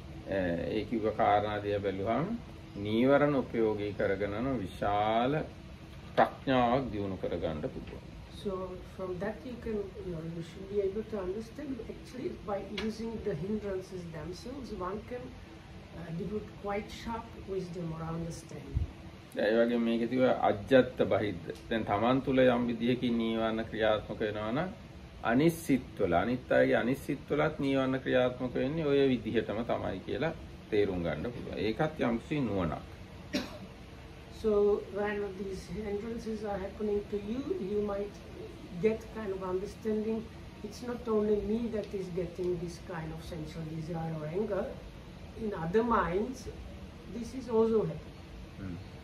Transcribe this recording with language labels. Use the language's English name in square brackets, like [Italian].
[Sinhala] ඒ කිව්ව කාරණාදිය බැලුවම නීවරණ උපයෝගී කරගෙන විශාල ප්‍රඥාවක් දියුණු කරගන්න පුළුවන්. [English] So from that you can, you know, you should be able to understand actually by using the hindrances themselves one can develop quite sharp wisdom or understanding. [Sinhala] ඒ වගේ මේක තිබ අජත්ත බහිද්ද. දැන් තමන් තුල යම් විදිහකින් නීවරණ ක්‍රියාත්මක වෙනවා නම් අනිසිත්වල අනිත්‍යයි අනිසිත්වලත් නීවරණ ක්‍රියාත්මක වෙන්නේ ඔය විදිහටම තමයි කියලා තේරුම් ගන්න පුළුවන්. ඒකත් යම්සි නුවණක්. [English] So when these hindrances are happening to you, you might get kind of understanding. It's not only me that is getting this kind of sensual desire or anger. In other minds, this is also happening.